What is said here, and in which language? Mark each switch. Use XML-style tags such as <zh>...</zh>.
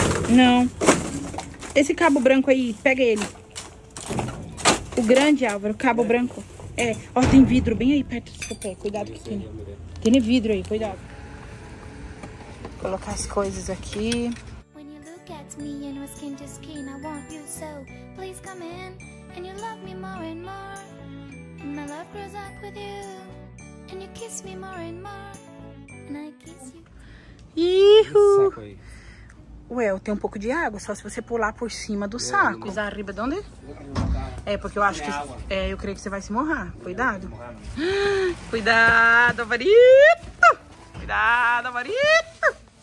<pt>Não. Esse cabo branco aí, pega ele. O grande, Álvaro, cabo branco. É, ó, tem vidro bem aí perto do seu pé. Cuidado que tem. Tem vidro aí, cuidado. Vou colocar as coisas aqui.</pt> <en>When you look at me and we're skin to skin, I want you so. Please come in and you love me more and more. And my love grows up with you. And you kiss me more and more. And I kiss you. Ihu!</en> <pt>Ué, eu tenho um pouco de água, só se você pular por cima do saco. Pisar arriba de onde? É, porque eu acho que... É, eu creio que você vai se morrar. Cuidado. Cuidado, Alvarito! Cuidado, Alvarito!</pt>